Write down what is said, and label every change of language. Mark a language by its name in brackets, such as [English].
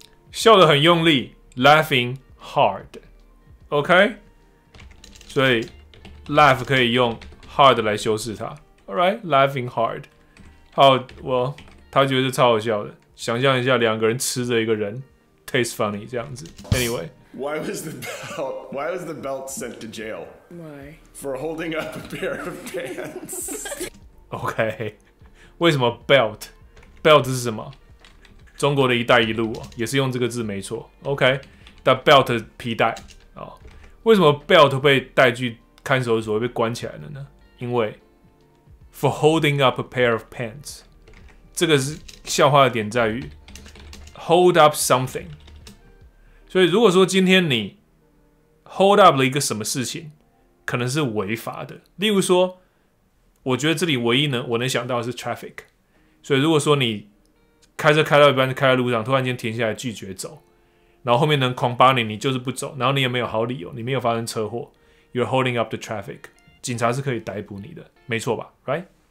[Chinese] 笑得很用力 ， [English] laughing hard， [Chinese] OK， 所以 laugh 可以用 hard 来修饰它 ， [English] All right， laughing hard， [Chinese] 好，我他觉得是超好笑的，想象一下两个人吃着一个人 ， [English] taste funny [Chinese] 这样子 ， [English] Anyway， Why was the belt sent to jail？ Why？ For holding up a pair of pants？ [Chinese] OK， 为什么 belt？ Belt 是什么？中国的一带一路、哦、也是用这个字没错。OK， 但 belt 皮带、哦、为什么 belt 被带去看守所被关起来了呢？因为 [English] for holding up a pair of pants， [Chinese] 这个是笑话的点在于 [English] hold up something。 [Chinese] 所以如果说今天你 hold up 了一个什么事情，可能是违法的。例如说，我觉得这里唯一能我能想到的是 traffic。所以如果说你开车开到一半，开在路上，突然间停下来拒绝走，然后后面能狂扒你，你就是不走，然后你也没有好理由，你没有发生车祸 ， [English] You're holding up the traffic， [Chinese] 警察是可以逮捕你的，没错吧 ？ [English] Right？